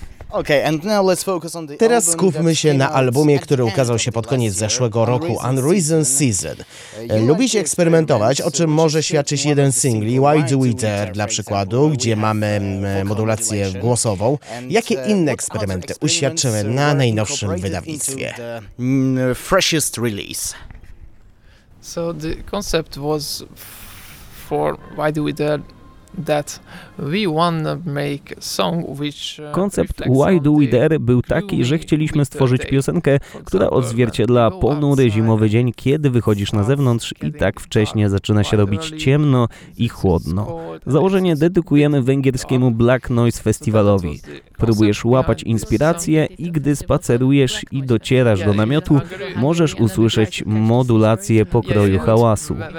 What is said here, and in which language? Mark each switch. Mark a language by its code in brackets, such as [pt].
[en] Okay, and now let's focus on the [pl] Teraz skupmy się na albumie, który ukazał się pod koniec zeszłego roku, Unreason Season. Lubisz eksperymentować, o czym może świadczyć jeden singli, Why Do We Dare dla przykładu, gdzie mamy modulację głosową. Jakie inne eksperymenty uświadczymy na najnowszym wydawnictwie? [en] Freshest release. So the concept was for Why Do We Dare. That we wanna make song which [pl] Koncept Why Do We Dare był taki, że chcieliśmy stworzyć piosenkę, która odzwierciedla ponury zimowy dzień, kiedy wychodzisz na zewnątrz i tak wcześnie zaczyna się robić ciemno i chłodno. Założenie dedykujemy węgierskiemu Black Noise Festivalowi. Próbujesz łapać inspirację i gdy spacerujesz i docierasz do namiotu, możesz usłyszeć modulację pokroju hałasu.